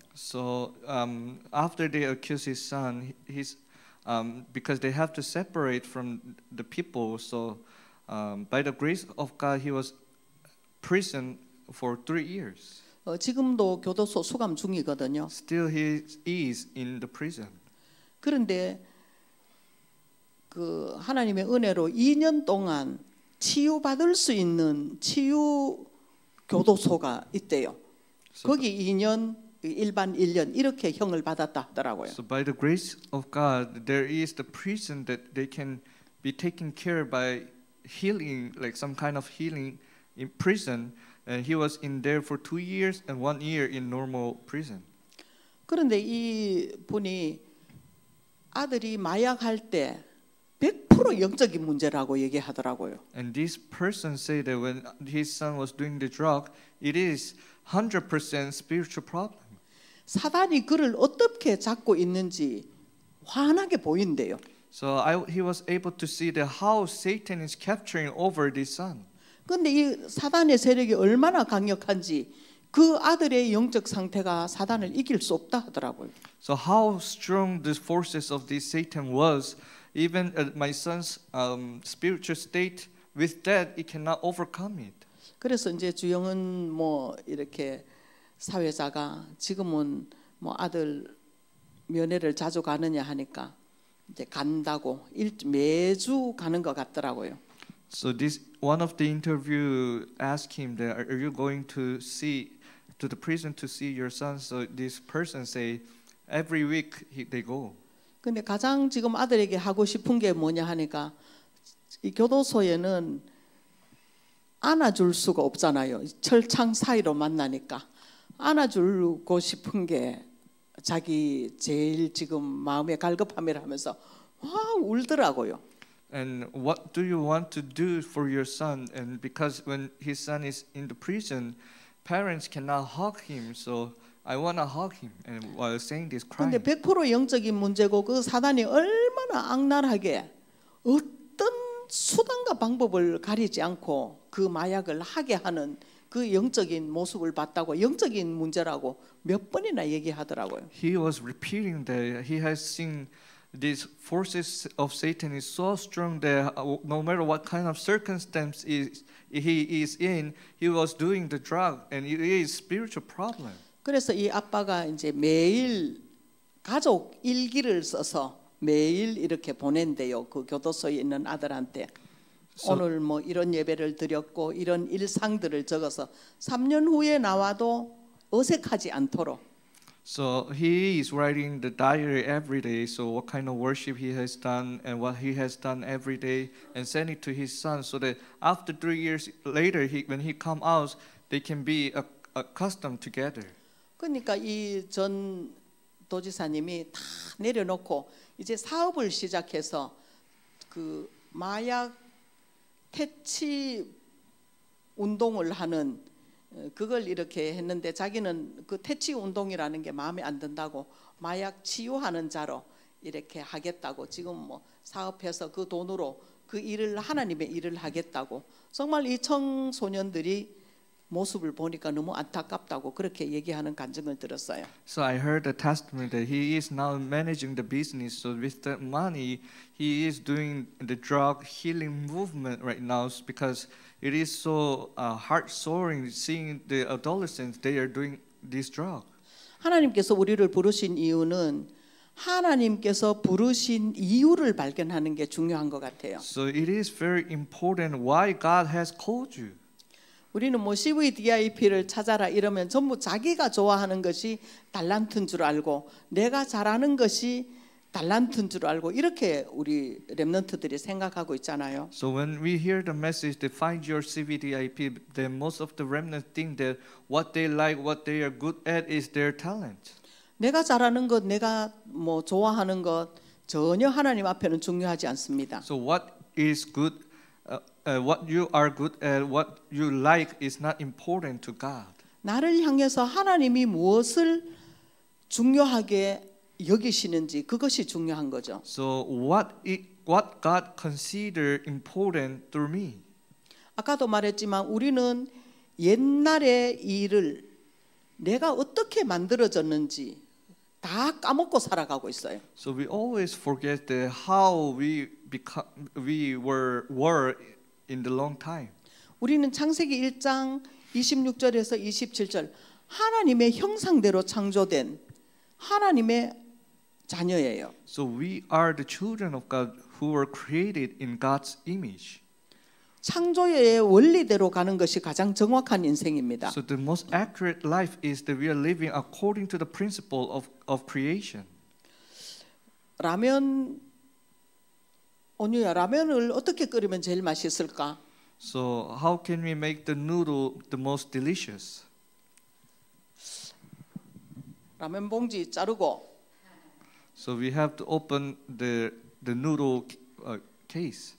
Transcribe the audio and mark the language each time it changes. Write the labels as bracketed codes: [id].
[en] So after they accuse his son, because they have to separate from the people, so by the grace of God, he was imprisoned for 3 years. [ko] 지금도 교도소 수감 중이거든요. [en] Still, he is in the prison. [ko] 그런데 그 하나님의 은혜로 2년 동안 치유받을 수 있는 치유 교도소가 있대요. 거기 2년, 일반 1년 이렇게 형을 받았다 하더라고요. [en] So by the grace of God, there is the prison that they can be taken care by. Healing, like some kind of healing in prison, and he was in there for 2 years and 1 year in normal prison. [ko] 그런데 이 분이 아들이 마약할 때 100% 영적인 문제라고 얘기하더라고요. [en] And this person said that when his son was doing the drug, it is 100% spiritual problem. [ko] 사단이 그를 어떻게 잡고 있는지 환하게 보인대요. [en] So he was able to see the how Satan is capturing over this son. [ko] 근데 이 사단의 세력이 얼마나 강력한지 그 아들의 영적 상태가 사단을 이길 수 없다 하더라고요. [en] So how strong the forces of this Satan was, even my son's spiritual state with that, it cannot overcome it. [ko] 그래서 이제 주영은 뭐 이렇게 사회자가 지금은 뭐 아들 면회를 자주 가느냐 하니까 이제 간다고 매주 가는 것 같더라고요. [en] So this one of the interview asked him that are you going to see to the prison to see your son? So this person say every week they go. [ko] 근데 가장 지금 아들에게 하고 싶은 게 뭐냐 하니까 이 교도소에는 안아줄 수가 없잖아요. 철창 사이로 만나니까 안아주고 싶은 게 자기 제일 지금 마음의 갈급함이라면서 막 울더라고요. [en] And what do you want to do for your son? And because when his son is in the prison, parents cannot hug him. So I want to hug him. And while saying this, crying. [ko] 근데 100% 영적인 문제고 그 사단이 얼마나 악랄하게 어떤 수단과 방법을 가리지 않고 그 마약을 하게 하는 그 영적인 모습을 봤다고 영적인 문제라고 몇 번이나 얘기하더라고요. [en] He was repeating that he has seen. These forces of Satan is so strong that no matter what kind of circumstance he is in, he was doing the drug, and it is a spiritual problem. [ko] 그래서 이 아빠가 이제 매일 가족 일기를 써서 매일 이렇게 보낸대요. 그 교도소에 있는 아들한테 so, 오늘 뭐 이런 예배를 드렸고 이런 일상들을 적어서 3년 후에 나와도 어색하지 않도록. [en] So he is writing the diary every day. So what kind of worship he has done and what he has done every day, and send it to his son so that after 3 years later, when he come out, they can be accustomed together. [ko] 그러니까 이 전 도지사님이 다 내려놓고 이제 사업을 시작해서 그 마약 퇴치 운동을 하는. 그걸 이렇게 했는데 자기는 그 퇴치 운동이라는 게 마음에 안 든다고 마약 치유하는 자로 이렇게 하겠다고 지금 뭐 사업해서 그 돈으로 그 일을 하나님의 일을 하겠다고 정말 이 청소년들이 모습을 보니까 너무 안타깝다고 그렇게 얘기하는 간증을 들었어요. [en] So I heard the testimony that he is now managing the business. So with the money, he is doing the drug healing movement right now because it is so heart-soaring seeing the adolescents, they are doing this drug. [ko] 하나님께서 우리를 부르신 이유는 하나님께서 부르신 이유를 발견하는 게 중요한 것 같아요. [en] So it is very important why God has called you. [ko] 우리는 뭐 CVDIP를 찾아라 이러면 전부 자기가 좋아하는 것이 달란트인 줄 알고 내가 잘하는 것이 달란트인 줄 알고 이렇게 우리 렘넌트들이 생각하고 있잖아요. [en] So when we hear the message to find your CVDIP, then most of the remnant think that what they like, what they are good at is their talent. [ko] 내가 잘하는 것, 내가 뭐 좋아하는 것 전혀 하나님 앞에는 중요하지 않습니다. [en] So what is good what you are good at, what you like is not important to God. [ko] 나를 향해서 하나님이 무엇을 중요하게 여기시는지 그것이 중요한 거죠. [en] So what God consider important through me? [ko] 아까도 말했지만 우리는 옛날의 일을 내가 어떻게 만들어졌는지 다 까먹고 살아가고 있어요. [en] So we always forget that how we were in the long time. [ko] 우리는 창세기 1장 26절에서 27절 하나님의 형상대로 창조된 하나님의 자녀예요. [en] So we are the children of God who were created in God's image. [ko] 창조의 원리대로 가는 것이 가장 정확한 인생입니다. [en] So the most accurate life is that we are living according to the principle of creation. [ko] 라면 오뉴야 라면을 어떻게 끓이면 제일 맛있을까? [en] So how can we make the noodle the most delicious? [ko] 라면 봉지 자르고. [en] So we have to open the noodle case.